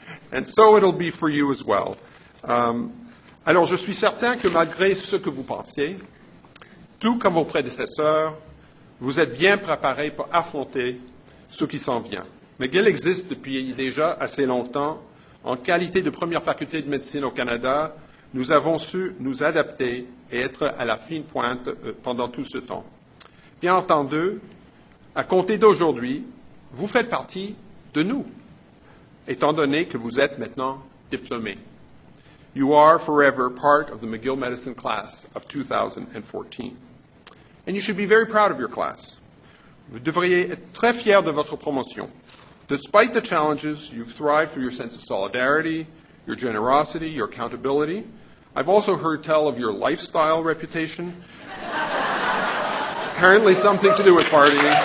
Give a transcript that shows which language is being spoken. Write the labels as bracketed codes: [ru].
[en] And so it'll be for you as well. [fr] Alors, je suis certain que malgré ce que vous pensiez, tout comme vos prédécesseurs, vous êtes bien préparés pour affronter ce qui s'en vient. McGill existe depuis déjà assez longtemps. En qualité de première faculté de médecine au Canada, nous avons su nous adapter et être à la fine pointe pendant tout ce temps. Bien entendu, à compter d'aujourd'hui, vous faites partie de nous, étant donné que vous êtes maintenant diplômé. [en] You are forever part of the McGill Medicine class of 2014. And you should be very proud of your class. [fr] Vous devriez être très fier de votre promotion. [en] Despite the challenges, you've thrived through your sense of solidarity, your generosity, your accountability. I've also heard tell of your lifestyle reputation, apparently something to do with partying.